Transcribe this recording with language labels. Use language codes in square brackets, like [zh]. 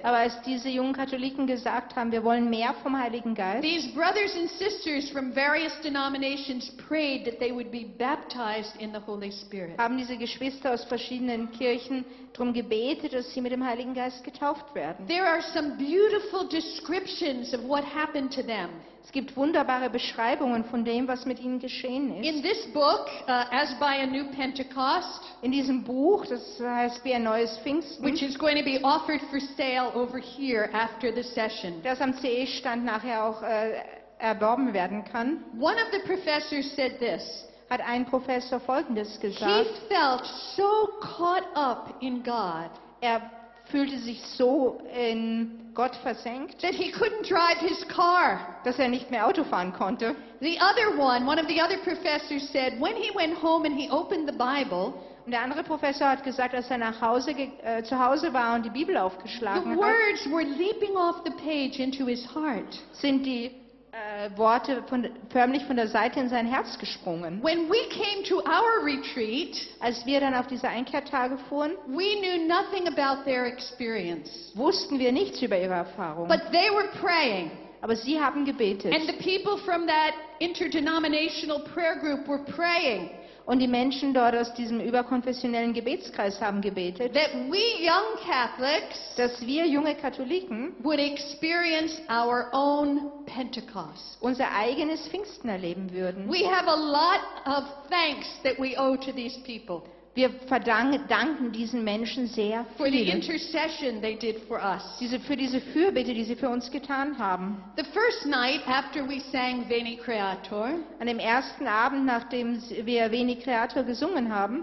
[de] Aber als diese jungen Katholiken gesagt haben, wir wollen mehr vom Heiligen Geist. [en] These brothers and sisters from various denominations prayed that they would be baptized in the Holy Spirit. [de] Haben diese Geschwister aus verschiedenen Kirchen darum gebetet, dass sie mit dem Heiligen Geist getauft werden. [en] There are some beautiful descriptions of what happened to them. [de] Es gibt wunderbare Beschreibungen von dem, was mit ihnen geschehen ist. [en] In this book, as by a new Pentecost, [de] in diesem Buch, das heißt wie ein neues Pfingsten, [en] which is going to be offered for sale over here after the session, [de] das am CE-Stand nachher auch erworben werden kann. [en] One of the professors said this. [de] Hat ein Professor Folgendes gesagt. [en] He felt so caught up in God. [de] Er fühlte sich so in Gott versenkt, [en] that he couldn't drive his car. [de] Dass er nicht mehr Auto fahren konnte. [en] The other one, one of the other professors said, when he went home and he opened the Bible, [de] und der andere Professor hat gesagt, als er nach Hause zu Hause war und die Bibel aufgeschlagen [en] the [de] hat, [en] words were leaping off the page into his heart. [de] Sind die Worte förmlich von der Seite in sein Herz gesprungen. [en] When we came to our retreat, [de] als wir dann auf diese Einkehrtage fuhren, [en] we knew nothing about their experience. [de] Wussten wir nichts über ihre Erfahrung. [en] But they were praying. [de] Aber sie haben gebetet. [en] And the people from that interdenominational prayer group were praying. [de] Und die Menschen dort aus diesem überkonfessionellen Gebetskreis haben gebetet, [en] that we young Catholics, [de] dass wir junge Katholiken, [en] would experience our own Pentecost, [de] unser eigenes Pfingsten erleben würden. [en] We have a lot of thanks that we owe to these people. [de] Wir danken diesen Menschen sehr für die [en] Intercession they did for us. [de] Für diese Fürbitte, die sie für uns getan haben. [en] The first night after we sang Veni Creator, [de] an dem ersten Abend, nachdem wir Veni Creator gesungen haben,